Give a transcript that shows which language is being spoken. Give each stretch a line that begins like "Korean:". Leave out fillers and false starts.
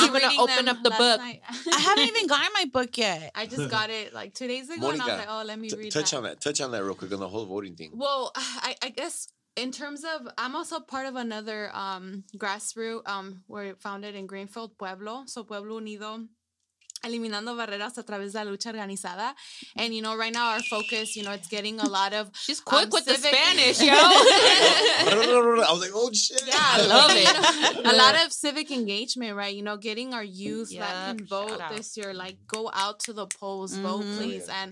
English: I'm going to open up the book. I haven't even gotten my book yet. I just got it like 2 days ago, Monica, and I was like, oh, let me read it. Touch on that. Touch on that real quick on the whole voting thing. Well, I guess in terms of, I'm also part of another grassroots, we're founded in Greenfield, Pueblo. So Pueblo Unido.
Spanish: Eliminando barreras a través de la lucha organizada.
English: And, you know, right now our focus, you know, it's getting a lot of... She's quick with civic... the Spanish, yo. I was like, oh, shit. Yeah, I love it. You know, a lot of civic engagement, right? You know, getting our youth that can vote this year. Like, go out to the polls, vote, please. Oh, yeah. And